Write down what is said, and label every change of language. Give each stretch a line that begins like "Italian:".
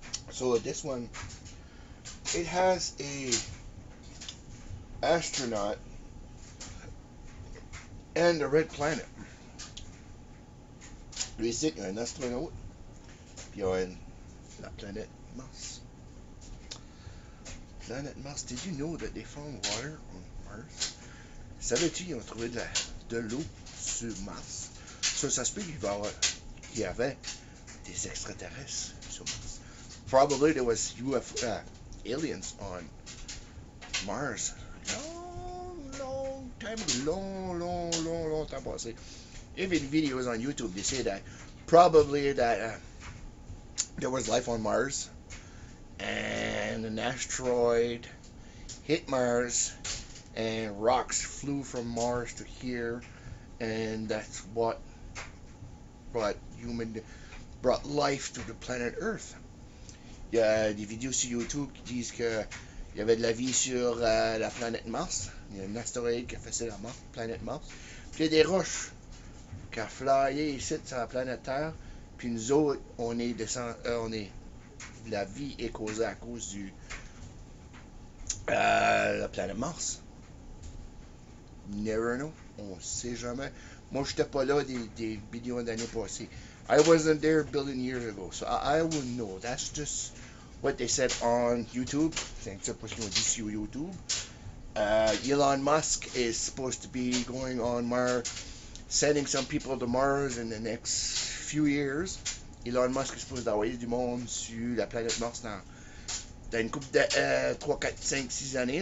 English: So this one, it has a astronaut and a red planet. Is it an astronaut? Beyond the planet Mars. Planet Mars, did you know that they found water on Mars?
French: Savais-tu qu'ils ont trouvé de l'eau sur Mars? Ça se peut qu'il y avait des extraterrestres sur Mars.
English: Probably there was aliens on Mars. Long time passé. Even videos on YouTube, they say that probably that there was life on Mars and an asteroid hit Mars. And rocks flew from Mars to here, and that's what brought life to the planet Earth.
French: Il y a des vidéos sur YouTube qui disent que il y avait de la vie sur la planète Mars. Il y a un astéroïde qui a fait ça la planète Mars. Puis il y a des roches qui a flyé ici sur la planète Terre. Puis nous autres, on est descendu, on est la vie est causée à cause du la planète Mars.
English: Never know.
French: On sait jamais. Moi, j'étais pas là des millions d'années passées.
English: I wasn't there a billion years ago. So, I wouldn't know. That's just what they said on YouTube.
French: C'est un petit peu ce qu'on dit sur YouTube.
English: Elon Musk is supposed to be going on Mars, sending some people to Mars in the next few years.
French: Elon Musk est supposed d'envoyer du monde sur la planète Mars dans une couple de 3, 4, 5, 6 années.